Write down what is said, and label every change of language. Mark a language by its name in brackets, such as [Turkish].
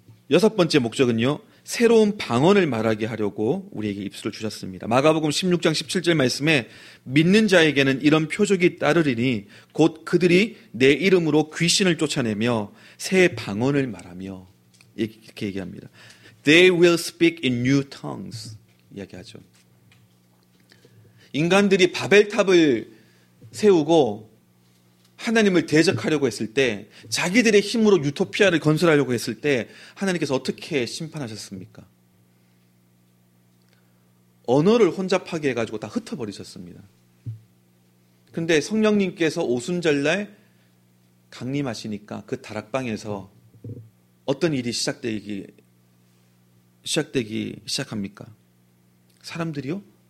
[Korean] 여섯 번째 목적은요. 새로운 방언을 말하게 하려고 우리에게 입술을 주셨습니다. 마가복음 16장 17절 말씀에 믿는 자에게는 이런 표적이 따르리니 곧 그들이 내 이름으로 귀신을 쫓아내며 새 방언을 말하며 이렇게 얘기합니다. [English] They will speak in new tongues [Korean] 이야기하죠. 인간들이 바벨탑을 세우고 하나님을 대적하려고 했을 때 자기들의 힘으로 유토피아를 건설하려고 했을 때 하나님께서 어떻게 심판하셨습니까? 언어를 혼잡하게 해가지고 다 흩어버리셨습니다. 그런데 성령님께서 오순절날 강림하시니까 그 다락방에서 어떤 일이 시작되기 시작합니까? 사람들이요?